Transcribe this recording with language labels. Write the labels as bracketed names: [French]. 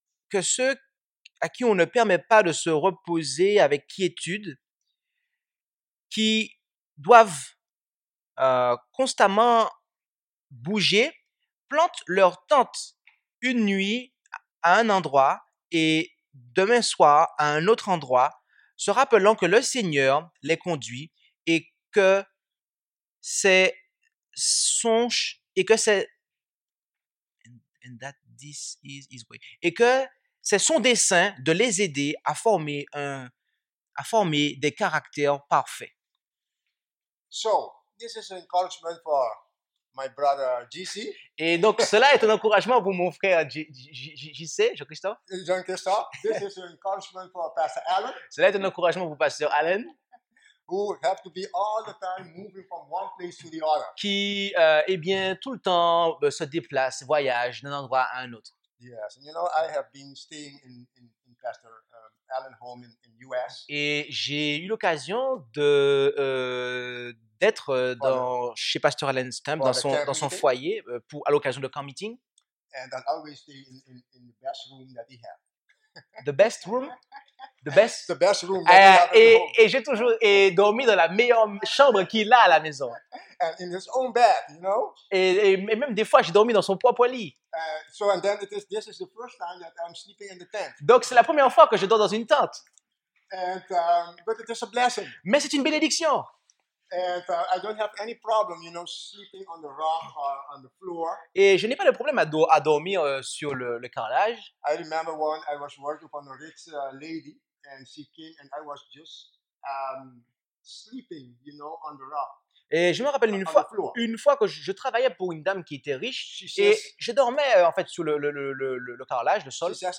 [French] Que ceux à qui on ne permet pas de se reposer avec quiétude, qui doivent constamment bouger, plantent leur tente une nuit à un endroit et demain soir à un autre endroit, se rappelant que le Seigneur les conduit et que c'est son et que c'est [English] that this is his way. [French] Et que c'est son dessein de les aider à former un à former des caractères parfaits. [English] So, this is an encouragement for my brother GC. [French] Et donc cela est un encouragement pour mon frère GC, Jean-Christophe. [English] Jean-Christophe, this is an encouragement for Pastor Alan. [French] Cela est un encouragement pour Pasteur Alan. [English] Who have to be all the time moving from one place to the other. [French] Qui eh bien tout le temps se déplace, voyage d'un endroit à un autre. [English] Yes, and you know I have been staying in Pastor Alan's home in US. [French] Et j'ai eu l'occasion de d'être dans chez Pastor Alan Stump dans son foyer pour à l'occasion de camp meeting. [English] And I always stay in the best room that he has. The best room. The best room. [French] Et j'ai toujours dormi dans la meilleure chambre qu'il a à la maison. [English] And in his own bed, you know. [French] Et même des fois, j'ai dormi dans son propre lit. [English] So and then this is the first time that I'm sleeping in the tent. [French] Donc c'est la première fois que je dors dans une tente. [English] And but it is a blessing. [French] Mais c'est une bénédiction. [English] And I don't have any problem, you know, sleeping on the rock or on the floor. [French] Et je n'ai pas de problème à dormir sur le carrelage. [English] I remember when I was working on a rich lady, and she came, and I was just sleeping, you know, on the rock. [French] Et je me rappelle une fois que je travaillais pour une dame qui était riche, [English] says, [French] et je dormais en fait sur le carrelage, le sol.